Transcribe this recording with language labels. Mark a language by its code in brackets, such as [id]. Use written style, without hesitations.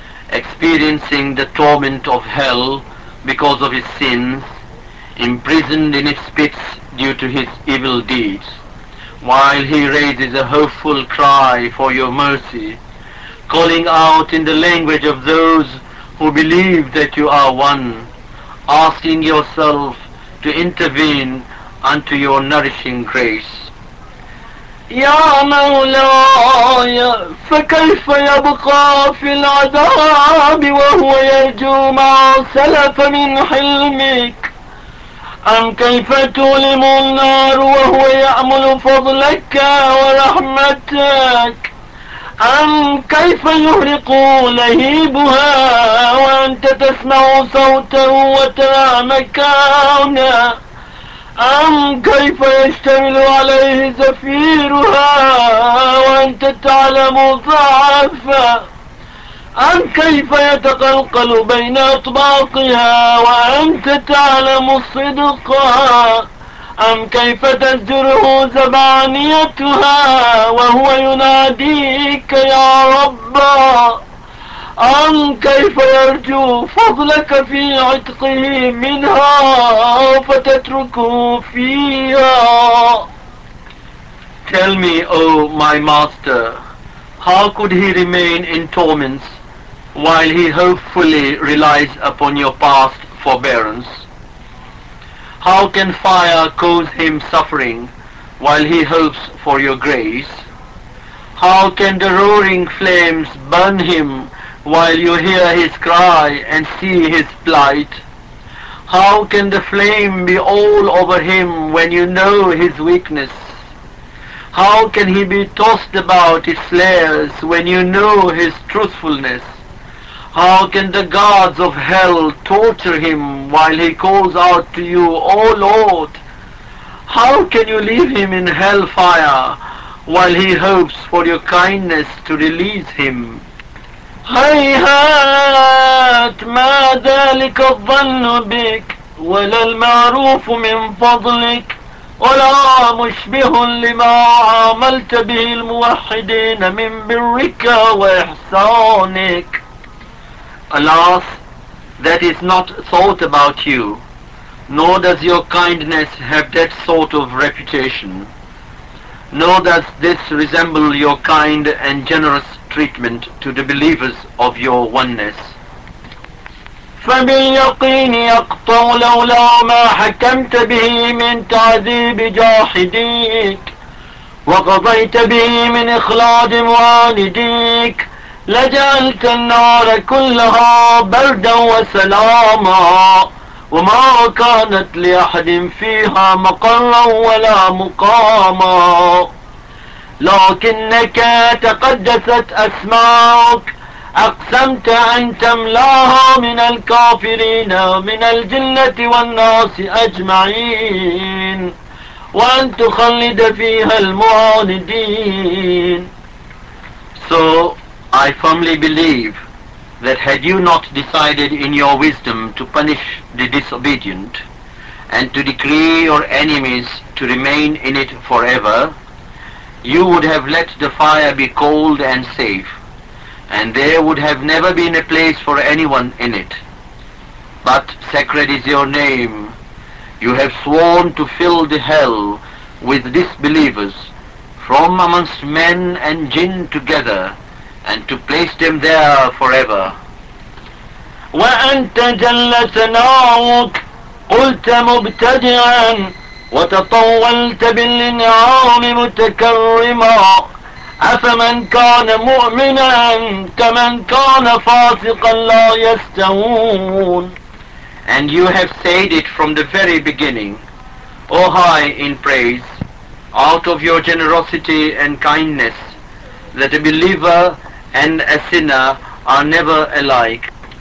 [en] experiencing the torment of hell because of his sins, imprisoned in its pits due to his evil deeds, while he raises a hopeful cry for your mercy, calling out in the language of those who believe that you are one, asking yourself to intervene unto your nourishing grace. [ar] Ya Mawlaya, فكيف يبقى في العذاب وهو يرجو ما سلف من حلمك أم كيف تؤلم النار وهو يأمل فضلك ورحمتك؟ أم كيف يهرق لهيبها وأنت تسمع صوته وترى مكانه؟ أم كيف يشتمل عليه زفيرها وأنت تعلم ضعفه؟ أم كيف يتقلقل بين أطباقها وأنت تعلم صدقها؟ أم كيف تزجره زبانيتها وهو يناديك يا رب؟ أم كيف يرجو فضلك في عتقه منها فتتركه فيها؟ [en] Tell me, O my master, how could he remain in torments while he hopefully relies upon your past forbearance? How can fire cause him suffering while he hopes for your grace? How can the roaring flames burn him while you hear his cry and see his plight? How can the flame be all over him when you know his weakness? How can he be tossed about his snares when you know his truthfulness? How can the gods of hell torture him while he calls out to you, O Lord? How can you leave him in hellfire while he hopes for your kindness to release him? [ar] هيهات ما ذلك الظن بك ولا المعروف من فضلك ولا مشبه لما عاملت به الموحدين من برك وإحسانك. [en] Alas, that is not thought about you, nor does your kindness have that sort of reputation, nor does this resemble your kind and generous treatment to the believers of your oneness. [ar] فباليقين يقطع لولا ما حكمت به من تعذيب جاحديك وقضيت به من إخلاد معانديك لجعلت النار كلها بردا وسلاما وما كانت لأحد فيها مقرا ولا مقاما لكنك تقدست أسماؤك أقسمت أن تملاها من الكافرين من الجنة والناس أجمعين وأن تخلد فيها المعاندين. [en] So I firmly believe that had you not decided in your wisdom to punish the disobedient and to decree your enemies to remain in it forever, you would have let the fire be cold and safe, and there would have never been a place for anyone in it. But sacred is your name. You have sworn to fill the hell with disbelievers from amongst men and jinn together, and to place them there forever. [ar] وأنت جل ثناؤك قلت مبتدعا وتطولت بالإنعام متكرما أفمن كان مؤمنا كمن كان فاسقا لا يستوون. [en] And you have said it from the very beginning, O high in praise, out of your generosity and kindness, that a believer and a sinner are never alike.